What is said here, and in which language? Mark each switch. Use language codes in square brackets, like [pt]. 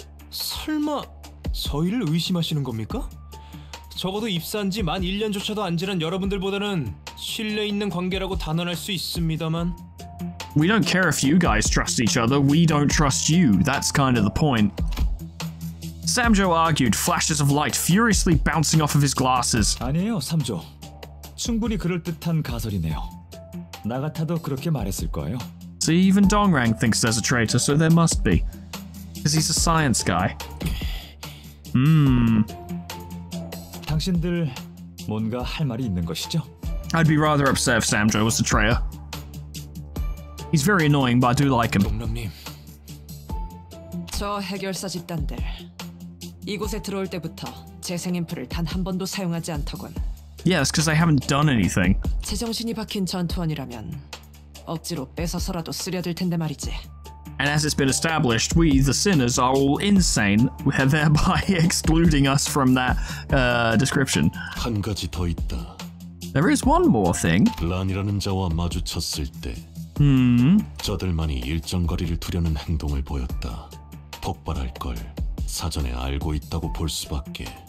[ko] 설마 저희를 의심하시는 겁니까? 적어도 입사한 지 만 1년조차도 안 지난 여러분들보다는 신뢰 있는 관계라고 단언할 수 있습니다만. [en] We don't care if you guys trust each other. We don't trust you. That's kind of the point. Samjo argued, flashes of light furiously bouncing off of his glasses. [ko] 아니에요, 삼조. 충분히 그럴듯한 가설이네요. 나 같아도 그렇게 말했을 거예요. [en] So even Dongrang thinks there's a traitor, so there must be. Because he's a science guy. Hmm. [ko] 당신들 뭔가 할 말이 있는 것이죠? [en] I'd be rather upset if Samjo was the traitor. He's very annoying, but I do like him. [ko] 동남님. 저 해결사 집단들. 이곳에 들어올 때부터 재생 앰플을 단 한 번도 사용하지 않더군. [en] Yes, because I haven't done anything. [ko] 제정신이 박힌 전투원이라면 억지로 뺏어서라도 쓰려들 텐데 말이지. [en] And as it's been established, we, the sinners, are all insane, thereby excluding us from that description. [ko] 한 가지 더 있다. [en] There is one more thing. [ko] 란이라는 자와 마주쳤을 때, 저들만이 일정 거리를 두려는 행동을 보였다. 폭발할 걸. 사전에 알고 있다고 볼 수밖에.